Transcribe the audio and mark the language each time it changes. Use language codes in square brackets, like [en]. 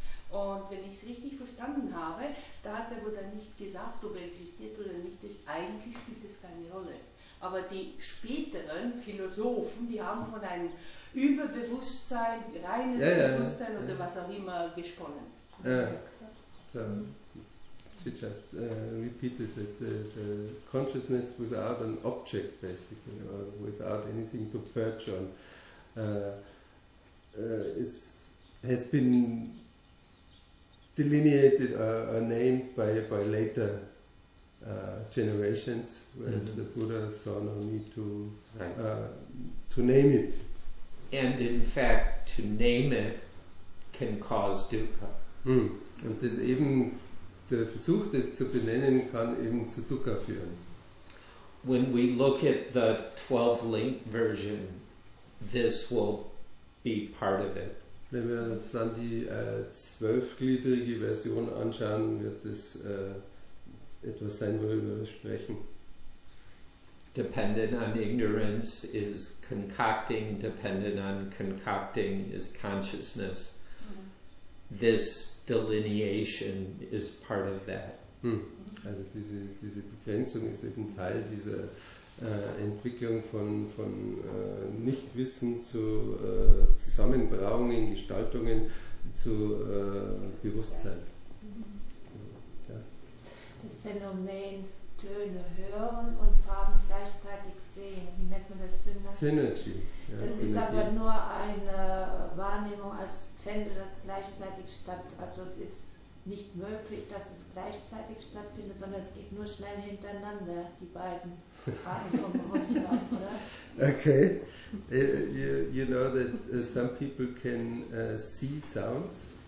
[de] Und wenn ich es richtig verstanden habe, da hat der Buddha nicht gesagt, ob er existiert oder nicht, das eigentlich spielt das keine Rolle. Aber die späteren Philosophen, die haben von einem Überbewusstsein, reines Bewusstsein oder was auch immer gesponnen. Ja. [en] She just repeated that the consciousness without an object, basically, or without anything to perch on, has been delineated or named by later generations, whereas mm-hmm. the Buddha saw no need to name it. And in fact, to name it can cause dukkha. Mm. [de] Und das eben der Versuch, das zu benennen, kann eben zu Dukkha führen. [en] When we look at the 12-link version, this will be part of it. Wenn wir uns dann die 12-gliedrige Version anschauen, wird das etwas sein, worüber wir sprechen. Dependent on ignorance is concocting, dependent on concocting is consciousness. This delineation is part of that. Hm. [de] Also diese Begrenzung ist eben Teil dieser Entwicklung von Nichtwissen zu Zusammenbrauungen, Gestaltungen zu Bewusstsein. Mhm. Ja. Das Phänomen Töne hören und Farben gleichzeitig sehen, wie nennt man das? [en] Synergy. [de] Ja, das Synergy. Ist aber nur eine Wahrnehmung, als fände das gleichzeitig statt. Also es ist nicht möglich, dass es gleichzeitig stattfindet, sondern es geht nur schnell hintereinander, die beiden Farben vom Rost, oder? Okay. [en] You know that some people can see sounds.